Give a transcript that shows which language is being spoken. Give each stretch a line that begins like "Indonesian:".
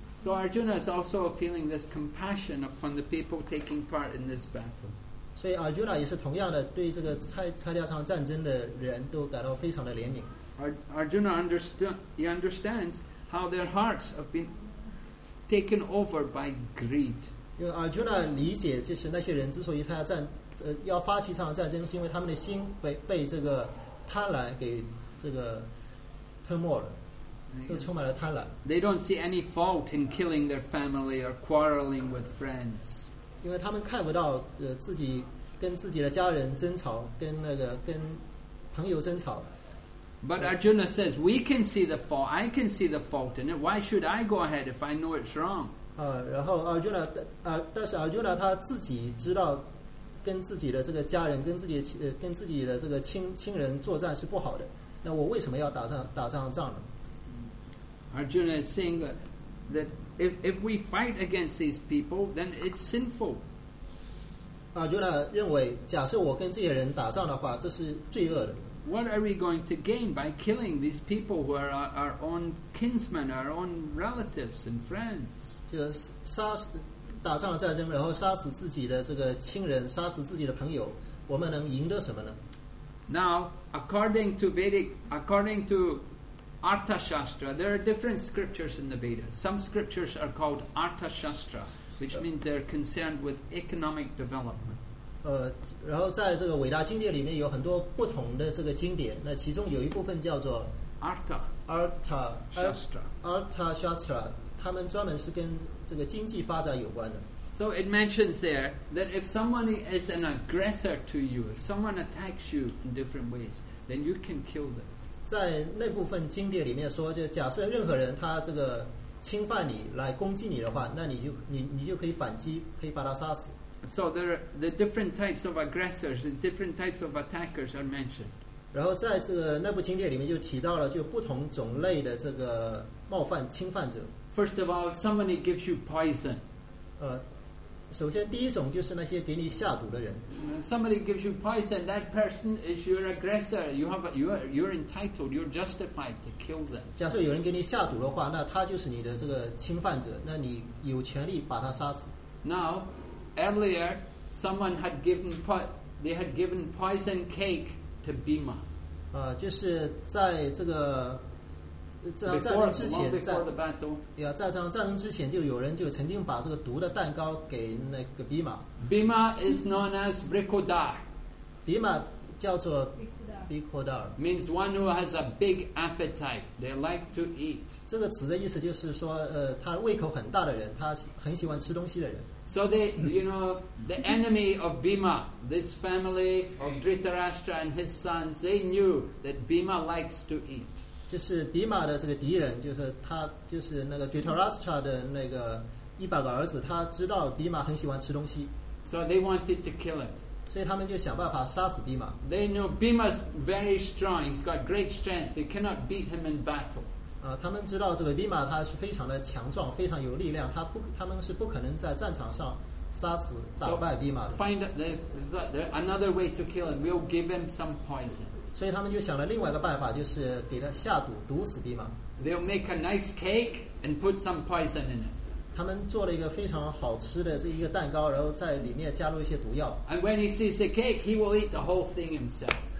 English: So Arjuna is also feeling this compassion upon the people taking part in this battle.
Chinese: So Arjuna 也是同样的对这个参加这场战争的人都感到非常的怜悯。
English: Arjuna understands how their hearts have been taken over by greed.
Chinese: 因为 Arjuna 理解就是那些人之所以要发起这场战争，是因为他们的心被这个贪婪给这个吞没了。都充满了贪婪。
English: They don't see any fault in killing their family or quarreling with friends.
Chinese: 因为他们看不到自己跟自己的家人争吵，跟朋友争吵。
English: But Arjuna says, "We can see the fault. I can see the fault in it. Why should I go ahead if I know it's wrong?"
Chinese: 然后 Arjuna 但是 Arjuna 他自己知道跟自己的这个家人、跟自己的这个亲人作战是不好的。那我为什么要打仗呢？
English: Arjuna is saying that if we fight against these people, then it's sinful.
Chinese: Arjuna 认为，假设我跟这些人打仗的话，这是罪恶的。
English: What are we going to gain by killing these people who are our own kinsmen, our own relatives and friends?
Chinese: 就打仗，然后杀死自己的这个亲人，杀死自己的朋友，我们能赢得什么呢
English: ？Now, according to Arthashastra, there are different scriptures in the Vedas. Some scriptures are called Arthashastra, which means they're concerned with economic development.
Chinese: 然后在这个伟大经典里面有很多不同的这个经典，那其中有一部分叫做 Arthashastra, 他们专门是跟这个经济发展有关的。
English: So it mentions there that if someone is an aggressor to you, if someone attacks you in different ways, then you can kill them.
Chinese: 在那部分经典里面说，就假设任何人他这个侵犯你来攻击你的话，那你就可以反击，可以把他杀死。
English: So there are the different types of aggressors and different types of attackers are mentioned.
Chinese: 然后在这个那部经典里面就提到了就不同种类的这个冒犯侵犯者。
English: First of all, if somebody gives you poison.
Chinese: 首先第一种就是那些给你下毒的人。
English: Somebody gives you poison, that person is your aggressor. You're entitled, you're justified to kill them.
Chinese: 假设有人给你下毒的话，那他就是你的这个侵犯者，那你有权利把他杀死。
English: Now, earlier, someone had given they had given poison cake to Bhima.
Chinese: 就是在这个战争之前，战争之前就有人就曾经把这个毒的蛋糕给那个 Bhima。
English: Bhima is known as Bricodar.
Chinese: Bhima 叫做 Bricodar.
English: Means one who has a big appetite. They like to eat.
Chinese: 这个词的意思就是说，他胃口很大的人，他很喜欢吃东西的人。
English: So they, you know, the enemy of Bhima, this family of Dhritarashtra and his sons, they knew that Bhima likes to eat.
Chinese: 就是 Bhima 的这个敌人，就是他，就是那个 Dhritarashtra 的那个一百个儿子，他知道 Bhima 很喜欢吃东西。
English: So they wanted to kill him.
Chinese: 所以他们就想办法杀死 Bhima.
English: They knew Bhima is very strong. He's got great strength. They cannot beat him in battle.
Chinese: 他们知道这个 Bhima 他是非常的强壮，非常有力量，他们是不可能在战场上杀死打败 Bhima 的。
English: So find another way to kill him. We'll give him some poison.
Chinese: 所以他们就想了另外一个办法，就是给他下毒，毒死 Bhima.
English: They'll make a nice cake and put some poison in it.
Chinese: 他们做了一个非常好吃的这一个蛋糕，然后在里面加入一些毒药。
English: And when he sees the cake, he will eat the whole thing himself.